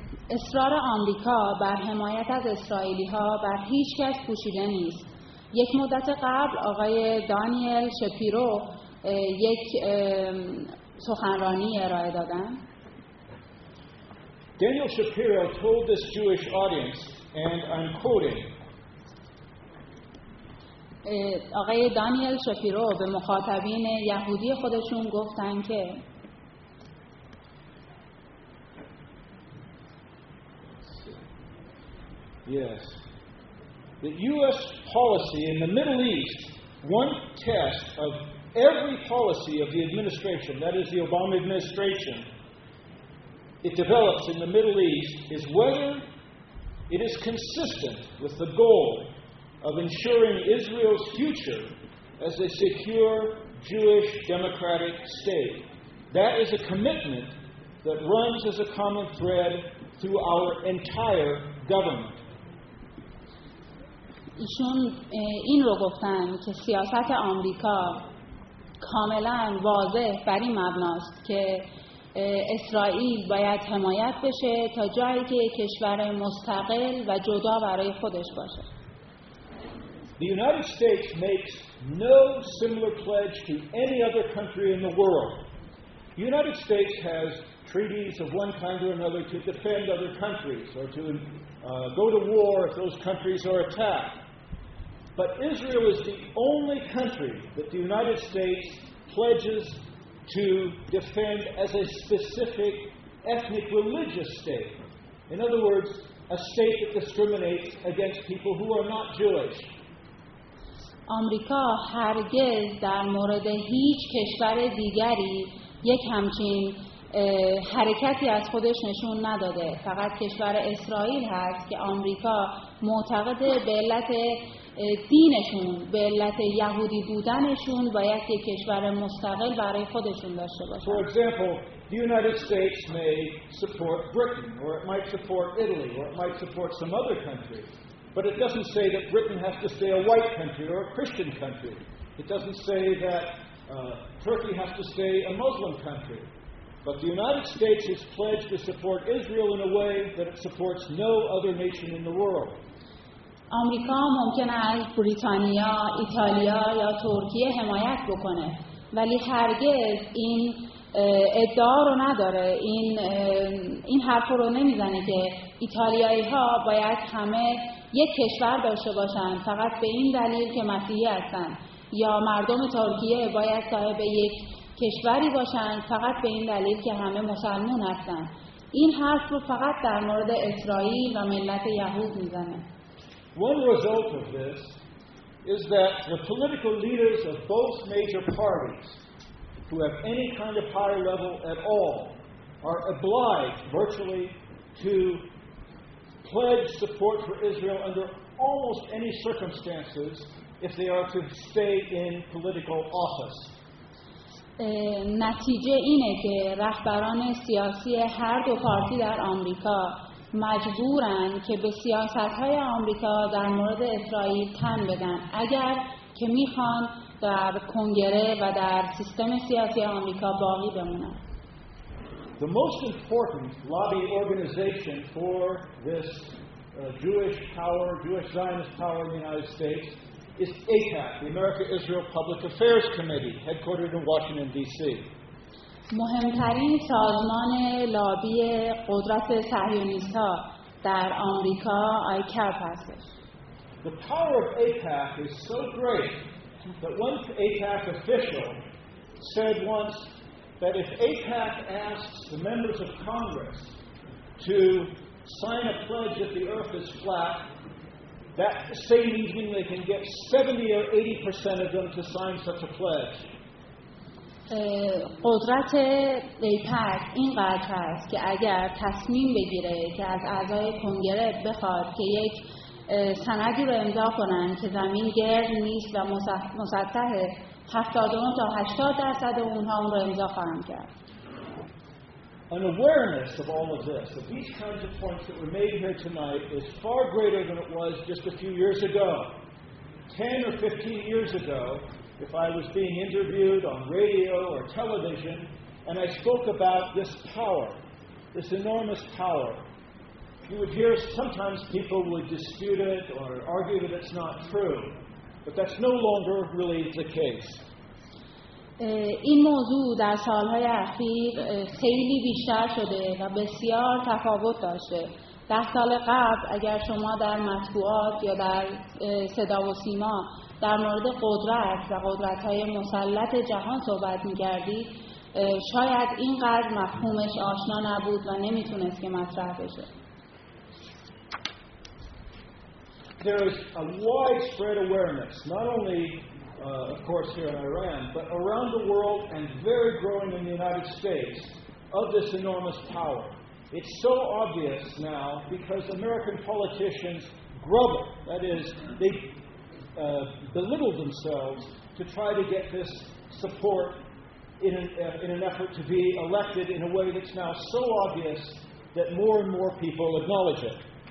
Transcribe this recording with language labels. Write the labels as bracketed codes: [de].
[fa] اصرار آمریکا بر حمایت از اسرائیلی‌ها بر هیچ کس پوشیده نیست. یک مدت قبل آقای دانیل شپیرو یک سخنرانی ارائه دادن. [en] Daniel Shapiro told this Jewish audience, and I'm quoting. [fa] آقای دانیل شپیرو به مخاطبین یهودی خودشون گفتن که [en] yes. The U.S. policy in the Middle East, one test of every policy of the administration, that is the Obama administration, it develops in the Middle East, is whether it is consistent with the goal of ensuring Israel's future as a secure Jewish democratic state. That is a commitment that runs as a common thread through our entire government. [fa] ایشون این رو گفتن که سیاست آمریکا کاملا واضح بر این مبناست که اسرائیل باید حمایت بشه تا جایی که یک کشور مستقل و جدا برای خودش باشه. [en] The United States makes no similar pledge to any other country in the world. The United States has treaties of one kind or another to defend other countries or to go to war if those countries are attacked. But Israel is the only country that the United States pledges to defend as a specific ethnic religious state. In other words, a state that discriminates against people who are not Jewish. [fa] آمریکا هرگز در مورد هیچ کشور دیگری یک همچین حرکتی از خودش نشون نداده. فقط کشور اسرائیل هست که آمریکا معتقد به علت دینشون، به علت یهودی بودنشون باید یک کشور مستقل برای خودشون داشته باشه. [en] For example, the United States may support Britain, or it might support Italy, or it might support some other country. But it doesn't say that Britain has to stay a white country or a Christian country. It doesn't say that Turkey has to stay a Muslim country. But the United States has pledged to support Israel in a way that it supports no other nation in the world. [fa] آمریکا ممکن است بریتانیا، ایتالیا یا ترکیه حمایت بکنه، ولی هرگز این ادعا رو نداره، این حرف رو نمیزنه که ایتالیایی ها باید همه یک کشور داشته باشن فقط به این دلیل که مسیحی هستن، یا مردم ترکیه باید صاحب یک کشوری باشن فقط به این دلیل که همه مسلمان هستن. این حرف رو فقط در مورد اسرائیل و ملت یهود میزنه. [en] One result of this is that the political leaders of both major parties who have any kind of power level at all are obliged virtually to pledge support for Israel under almost any circumstances if they are to stay in political office. [fa] نتیجه اینه که رهبران سیاسی هر دو پارتی در آمریکا مجبورن که به سیاست‌های آمریکا در مورد اسرائیل تن بدن اگر که می‌خوان در کنگره و در سیستم سیاسی آمریکا باقی بمونن. [en] The most important lobby organization for this Jewish power, Jewish Zionist power in the United States is AIPAC, the America-Israel Public Affairs Committee, headquartered in Washington D.C. [fa] مهمترین سازمان لابی قدرت صهیونیست‌ها در آمریکا آیکپ هست. [en] The power of AIPAC is so great that one AIPAC official said once that if AIPAC asks the members of Congress to sign a pledge that the earth is flat, that same evening they can get 70% or 80% of them to sign such a pledge. [fa] قدرت ایپک اینقدر هست که اگر تصمیم بگیره که از اعضای کنگره بخواد که یک سندی رو امضا کنن که زمین گرد نیست و مسطح، 70% تا 80% اونها اون رو امضا خواهند کرد. [en] An awareness of all of this, of these kinds of points that were made here tonight, is far greater than it was just a few years ago. 10 or 15 years ago, if I was being interviewed on radio or television and I spoke about this power, this enormous power, you would hear sometimes people would dispute it or argue that it's not true, but that's no longer really the case. [fa] این موضوع در سالهای اخیر خیلی بیشتر شده و بسیار تفاوت داشته. 10 سال قبل اگر شما در مطبوعات یا در صدا و سیما در مورد قدرت و قدرت‌های مسلط جهان صحبت می‌کردید، شاید اینقدر مفهومش آشنا نبود و نمی‌تونست که مطرح بشه. [en] There is a widespread awareness, not only of course here in Iran, but around the world and very growing in the United States, of this enormous power. It's so obvious now because American politicians grovel, that is, they belittle themselves to try to get this support in an effort to be elected in a way that's now so obvious that more and more people acknowledge it.